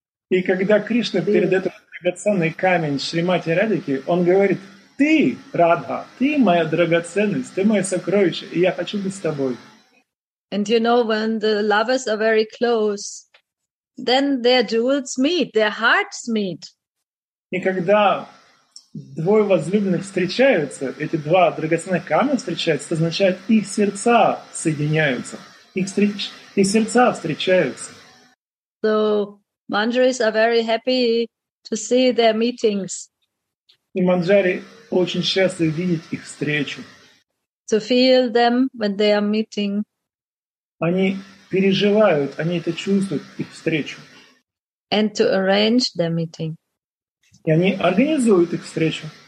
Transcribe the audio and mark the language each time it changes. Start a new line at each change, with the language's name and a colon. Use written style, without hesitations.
Russian: И когда Кришна перед этим драгоценный камень Шримати Радхики, он говорит, ты, Радха, ты моя драгоценность, ты мое сокровище, и я хочу быть с тобой.
English: And you know, when the lovers are very close, then their jewels meet, their hearts meet.
Russian: И когда двое возлюбленных встречаются, эти два драгоценных камня встречаются, это означает, их сердца соединяются. их сердца встречаются.
English: So Manjaris are very happy to see their meetings.
Russian: И Манджари очень счастливы видеть их встречу.
English: To feel them when they are meeting.
Russian: Они переживают, они это чувствуют, их встречу.
English: And to arrange their meeting.
Russian: И они организуют их встречу.